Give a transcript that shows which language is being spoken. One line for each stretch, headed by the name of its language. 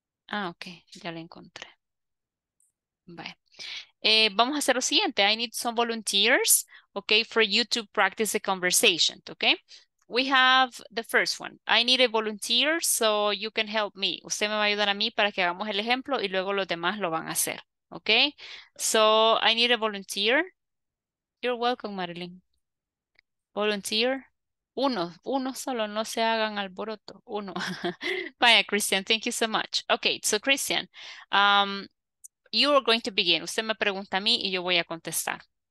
Spanish: Ah, ok, ya la encontré. Bye. Vamos a hacer lo siguiente.
English: I need some volunteers, ok, for you to practice the conversation, ok? We have the first one. I need a volunteer so you can help me.
Spanish: Usted me va a ayudar a mí para que hagamos el ejemplo y luego los demás lo van a hacer.
English: Okay? So I need a volunteer. You're welcome, Marilyn. Volunteer.
Spanish: Uno solo. No se hagan alboroto. Uno. Vaya, Christian.
English: Thank you so much. Okay, so Christian, you are going to begin.
Spanish: Usted me pregunta a mí y yo voy a contestar.